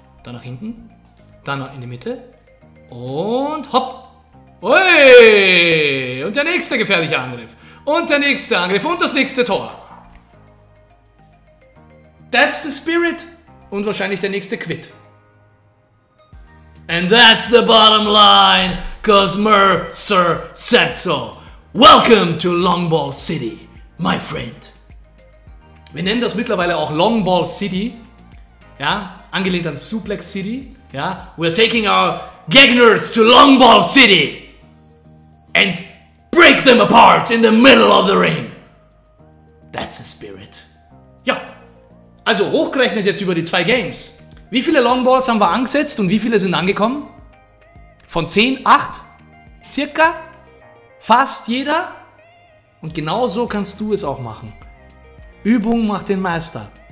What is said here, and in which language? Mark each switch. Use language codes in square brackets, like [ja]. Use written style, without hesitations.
[de] Dann nach hinten. Dann in die Mitte. Und hopp. Ui. Und der nächste gefährliche Angriff. Und der nächste Angriff. Und das nächste Tor. [en] That's the spirit. [de] Und wahrscheinlich der nächste Quit. [en] And that's the bottom line, cause Mercer said so. Welcome to Longball City, my friend. [de] Wir nennen das mittlerweile auch Longball City, ja, angelehnt an Suplex City, ja. [en] We're taking our Gegners to Longball City and break them apart in the middle of the ring. That's the spirit. [de] Ja, also hochgerechnet jetzt über die zwei Games. Wie viele Longballs haben wir angesetzt und wie viele sind angekommen? Von 10, 8? Circa? Fast jeder? Und genau so kannst du es auch machen. Übung macht den Meister.